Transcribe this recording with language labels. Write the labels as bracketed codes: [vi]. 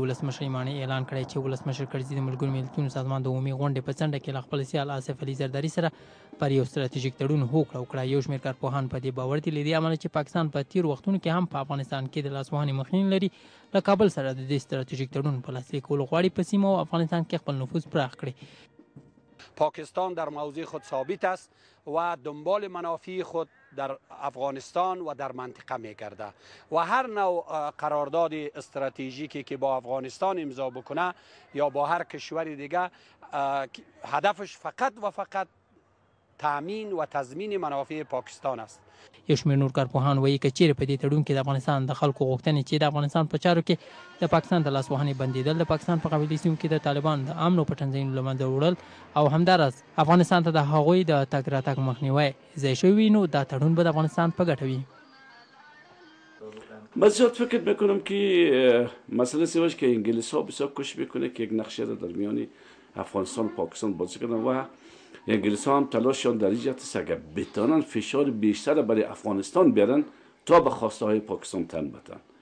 [ps] د ولسمشر ماڼۍ اعلان کړی چې ولسمشر کرزي د ملګرو ملتونو سازمان د عمومي غونډې په څنډه کې له خپل سیال آصف علي زرداری سره پر یو ستراتیژیک تړون هوکړه وکړه. یو شمېر کارپوهان په دې باور دي له دې امله چې پاکستان په تیرو وختونو کې هم په افغانستان کې د لاسوهنې مخنیوی لري، له کابل سره د دې ستراتیژیک تړون په لاسلیک کولو غواړي په سیمه او افغانستان کې خپل نفوذ پراخ کړي. [fa] پاکستان در موضع خود ثابت است و دنبال منافع خود در افغانستان و در منطقه میگرده و هر نوع قرارداد استراتژیکی که با افغانستان امضا بکنه یا با هر کشور دیگه هدفش فقط و فقط تامین و تضمین منافع پاکستان است. [ps] یو شمېر نور کارپوهان وایي که چیرې په دې تړون کې د افغانستان د خلکو غوښتنې چې د افغانستان په چارو کې د پاکستان د لاسوهنې بندېدل، د پاکستان په قبیلي سیمو کې د طالبان د امنو په تنظیمونو له منځه وړل او همداراز افغانستان ته د هغوی د تګ راتګ مخنیوی ځای شوی وي، نو دا تړون به د افغانستان په ګټه وي. [fa] مزیات فکر میکنم که مسئله سیوش که انگلیس ها بسیار کش میکنه که یک نقشه در میانی افغانستان پاکستان بازی کردن و انگلیسان تلاششان در جهت است اگر بتانن فشار بیشتر برای افغانستان بیارن تا به خواسته های پاکستان تن بدن.